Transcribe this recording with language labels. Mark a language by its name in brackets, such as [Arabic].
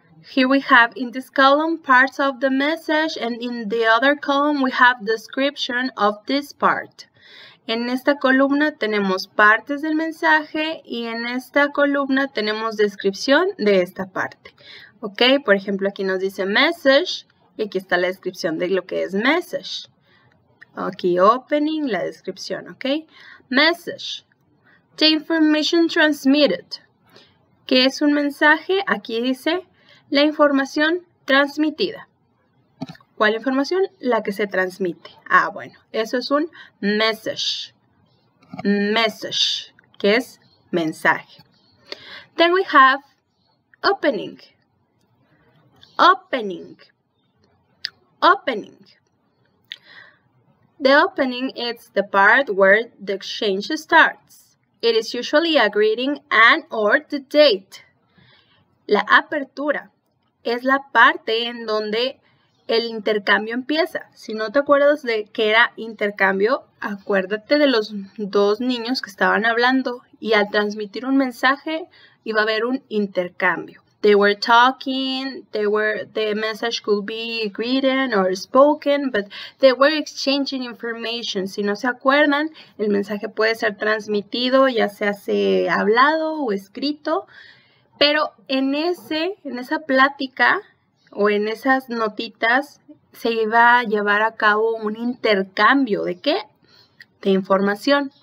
[English] Here we have in this column parts of the message and in the other column we have description of this part. [Spanish] En esta columna tenemos partes del mensaje y en esta columna tenemos descripción de esta parte. Ok, por ejemplo, aquí nos dice message y aquí está la descripción de lo que es message. Aquí opening, la descripción, ok. [English] Message, the information transmitted. [Spanish] ¿Qué es un mensaje? Aquí dice la información transmitida. ¿Cuál información? La que se transmite. Ah, bueno, eso es un message. [English] Message, [Spanish] que es mensaje. [English] Then we have opening. Opening. Opening. The opening is the part where the exchange starts. It is usually a greeting and or the date. [Spanish] La apertura es la parte en donde el intercambio empieza. Si no te acuerdas de qué era intercambio, acuérdate de los dos niños que estaban hablando y al transmitir un mensaje iba a haber un intercambio. [English] They were talking, the message could be written or spoken, but they were exchanging information. [Spanish] Si no se acuerdan, el mensaje puede ser transmitido, ya sea hablado o escrito, pero en esa plática o en esas notitas se iba a llevar a cabo un intercambio. ¿De qué? De información.